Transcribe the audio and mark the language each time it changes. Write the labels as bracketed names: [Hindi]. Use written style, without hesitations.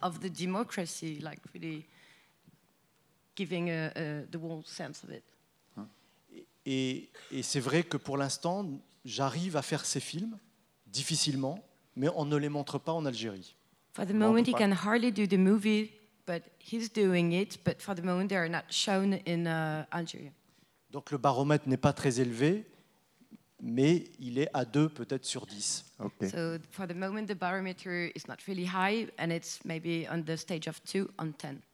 [English] of the democracy, like really giving the world sense of it. [French] Et c'est vrai que pour l'instant, j'arrive à faire ces films difficilement, mais on ne les montre pas en Algérie. [English] For the moment, he can hardly do the movie, but he's doing it. But for the moment, they are not shown in Algeria. [French] Donc le baromètre n'est pas très élevé, mais il est à 2 peut-être sur 10. [English] Okay. So for the moment, the barometer is not really high, and it's maybe on the stage of 2 on 10.